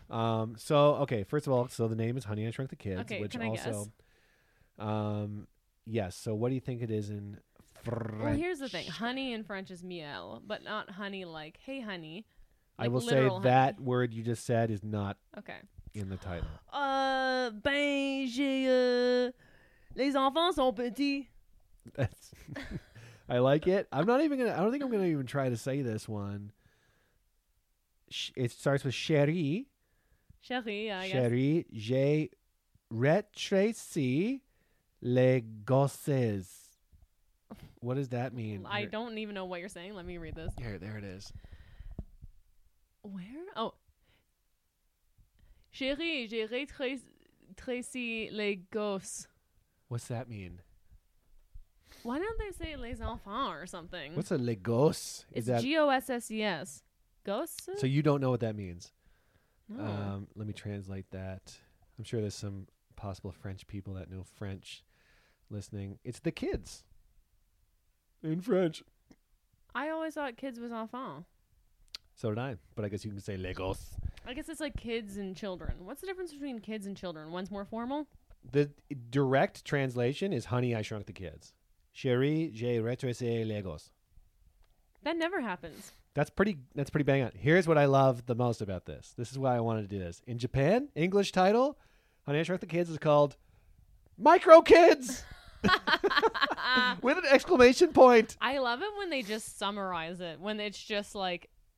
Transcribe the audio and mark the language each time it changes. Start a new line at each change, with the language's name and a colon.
English: So, okay, first of all, so the name is Honey, I Shrunk the Kids, okay, which can also, I guess? Yes. So what do you think it is in French? Well, here's the thing. Honey in French is miel, but not honey like, hey, honey. Like, I will say honey. That word you just said is not. Okay. In the title.
French: Ben, j'ai, les enfants sont petits.
English: I like it. I'm not even going to, I don't think I'm going to even try to say this one. It starts with chérie. Chérie, yeah, I
French: chérie,
English: guess.
French: J'ai retracé les gosses.
English: What does that mean? I here. Don't even know what you're saying. Let me read this. Here, there it is. Where? Oh.
French: Chérie, j'ai retracé les gosses.
English: What's that mean? Why don't they say les enfants or something? What's a les gosses? It's that... G-O-S-S-E-S. Gosses? So you don't know what that means. No. Let me translate that. I'm sure there's some possible French people that know French listening. It's the kids. In French. I always thought kids was enfants. So did I. But I guess you can say les gosses. I guess it's like kids and children. What's the difference between kids and children? One's more formal? The direct translation is Honey, I Shrunk the Kids.
French: Chérie, j'ai retracé les gosses.
English: That never happens. That's pretty bang on. Here's what I love the most about this. This is why I wanted to do this. In Japan, English title, Honey, I Shrunk the Kids is called Micro Kids! With an exclamation point. I love it when they just summarize it. When it's just like...